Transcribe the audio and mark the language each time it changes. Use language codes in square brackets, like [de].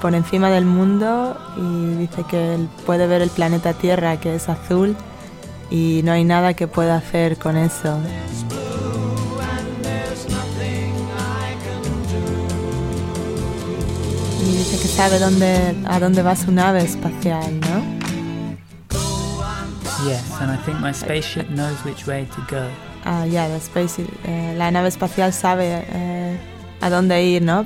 [es] Por encima del mundo, y dice que él puede ver el planeta Tierra, que es azul, y no hay nada que pueda hacer con eso. Y dice que sabe a dónde va su nave espacial, ¿no? [en] Yes, and I think my spaceship knows which way to go. [es] La nave espacial sabe a dónde ir, ¿no?